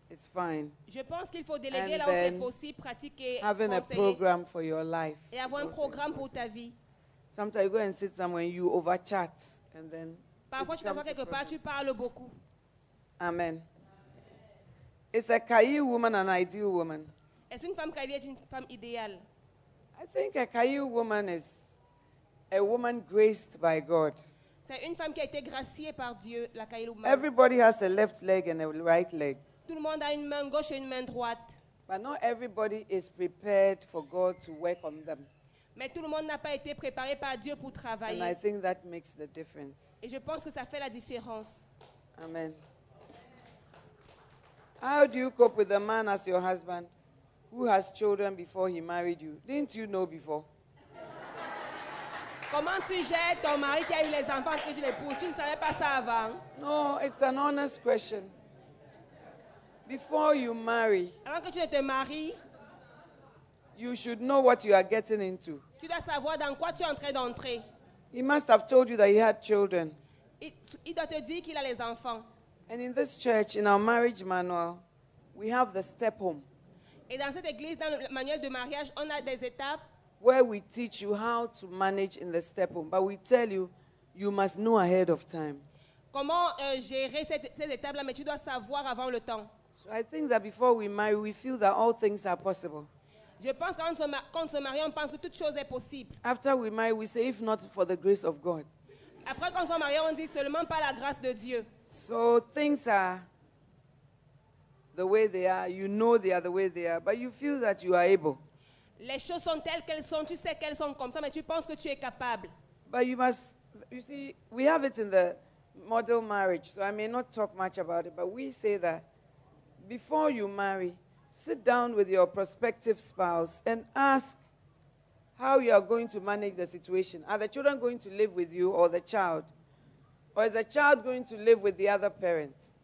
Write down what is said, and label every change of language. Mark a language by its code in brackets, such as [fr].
[en] It's fine. [fr] Je pense qu'il faut déléguer là où c'est possible, pratiquer, [en] having a program for your life. [fr] Et avoir un programme pour ta vie. [en] Sometimes you go and sit somewhere and you over chat and then [fr] parfois tu t'assois quelque part, tu parles beaucoup. [en] Amen. Is a Kayi woman an ideal woman? [fr] Est-ce une femme Kayi est une femme idéale? [en] I think a Kayi woman is a woman graced by God. [fr] C'est une femme qui a été graciée par Dieu, la Kayi woman. [en] Everybody has a left leg and a right leg. [fr] Tout le monde a une main gauche et une main droite. [en] But not everybody is prepared for God to work on them. [fr] Mais tout le monde n'a pas été préparé par Dieu pour travailler. [en] And I think that makes the difference. [fr] Et je pense que ça fait la différence. [en] Amen. How do you cope with a man as your husband who has children before he married you? Didn't you know before? [fr] Comment tu gères ton mari qui a eu les enfants que tu l'épouses? Tu ne savais pas ça avant? [en] No, it's an honest question. Before you marry, [fr] avant que tu ne te maries, [en] you should know what you are getting into. [fr] Tu dois savoir dans quoi tu es en train d'entrer. [en] He must have told you that he had children. [fr] Il doit te dire qu'il a les enfants. [en] And in this church, in our marriage manual, we have the step home. [fr] Et dans cette église, dans le manuel de mariage, on a des étapes. [en] Where we teach you how to manage in the step home, but we tell you, you must know ahead of time. [fr] Comment gérer ces étapes-là, mais tu dois savoir avant le temps. [en] So I think that before we marry, we feel that all things are possible. [fr] Je pense quand se marie, on pense que toute chose est possible. [en] After we marry, we say, if not for the grace of God. [fr] Après quand se marie, on dit seulement par la grâce de Dieu. [en] So things are the way they are. You know they are the way they are, but you feel that you are able. [fr] Les choses sont telles qu'elles sont. Tu sais qu'elles sont comme ça, mais tu penses que tu es capable. [en] But you must. You see, we have it in the model marriage, so I may not talk much about it. But we say that. Before you marry, sit down with your prospective spouse and ask how you are going to manage the situation. Are the children going to live with you or the child? Or is the child going to live with the other parent?